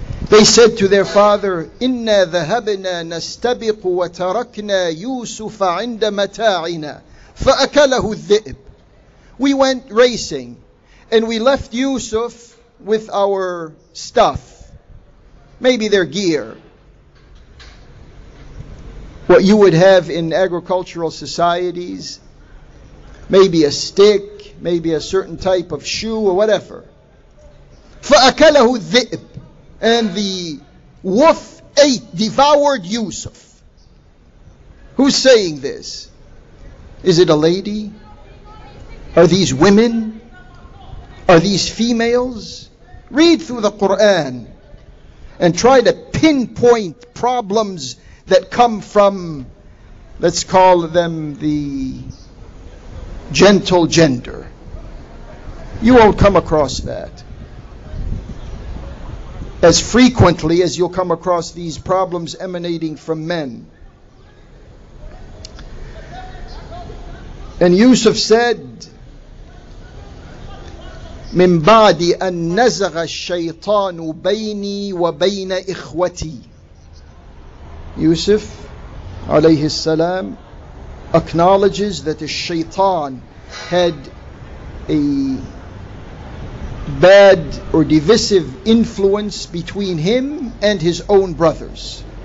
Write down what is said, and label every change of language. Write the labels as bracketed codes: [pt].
[en] They said to their father, [ar] إِنَّا ذَهَبْنَا نَسْتَبِقُ وَتَرَكْنَا يُوسُفَ عِنْدَ مَتَاعِنَا فَأَكَلَهُ الذِّئْبُ. [en] We went racing, and we left Yusuf with our stuff, maybe their gear, what you would have in agricultural societies, maybe a stick, maybe a certain type of shoe or whatever. [ar] فَأَكَلَهُ الذِّئْبُ. [en] And the wolf ate, devoured Yusuf. Who's saying this? Is it a lady? Are these women? Are these females? Read through the Qur'an and try to pinpoint problems that come from, let's call them, the gentle gender. You won't come across that as frequently as you'll come across these problems emanating from men. And Yusuf said, [ar] مِنْ بَعْدِ أَنْ نَزَغَ الشَّيْطَانُ بَيْنِي وَبَيْنَ إِخْوَتِي. [en] Yusuf, alayhi salam, acknowledges that the shaitan had a bad or divisive influence between him and his own brothers.